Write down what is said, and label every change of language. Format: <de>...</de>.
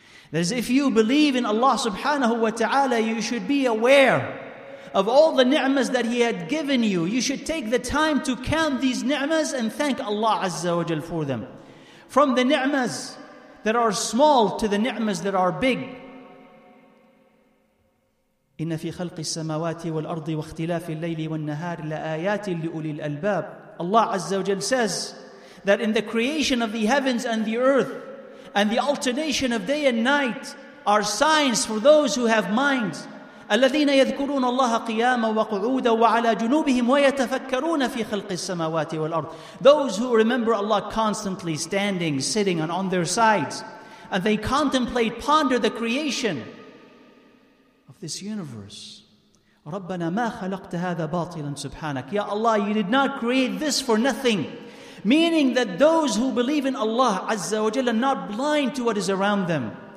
<en>That is, if you believe in Allah subhanahu wa ta'ala, you should be aware of all the ni'mas that He had given you. You should take the time to count these ni'mas and thank Allah Azza wa Jal for them. From the ni'mas that are small to the ni'mas that are big.</en> <ar>إن في خلق السماوات والأرض واختلاف الليل والنهار لآيات لأولي الألباب.</ar> <en>Allah Azza wa Jal says that in the creation of the heavens and the earth and the alternation of day and night are signs for those who have minds.</en> <ar>الذين يذكرون الله قياما وقعودا وعلى جنوبهم ويتفكرون في خلق السماوات والأرض.</ar> <en>Those who remember Allah constantly standing, sitting and on their sides, and they contemplate, ponder the creation this universe.</en> <ar>رَبَّنَا مَا خَلَقْتَ هَذَا بَاطِلًا سُبْحَانَكَ.</ar> <en>Ya Allah, you did not create this for nothing. Meaning that those who believe in Allah Azza wa Jalla are not blind to what is around them.</en>